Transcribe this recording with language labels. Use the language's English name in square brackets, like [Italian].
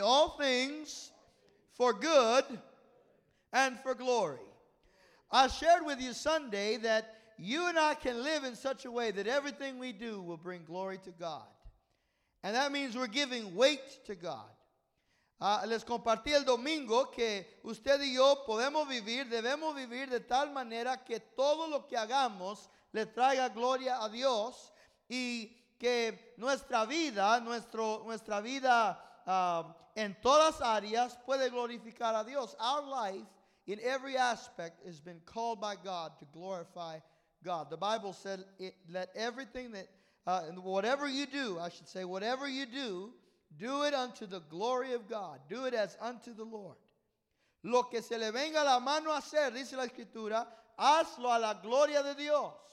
[English] All things for good and for glory. I shared with you Sunday that you and I can live in such a way that everything we do will bring glory to God. And that means we're giving weight to God. [Spanish] Les compartí el domingo que usted y yo podemos vivir, debemos vivir de tal manera que todo lo que hagamos le traiga gloria a Dios y que nuestra vida, nuestra vida en todas áreas puede glorificar a Dios. [English] Our life in every aspect has been called by God to glorify God. The Bible said, let everything that, whatever you do, I should say, whatever you do, do it unto the glory of God. Do it as unto the Lord. [Spanish] Lo que se le venga la mano a hacer, dice la Escritura, hazlo a la gloria de Dios.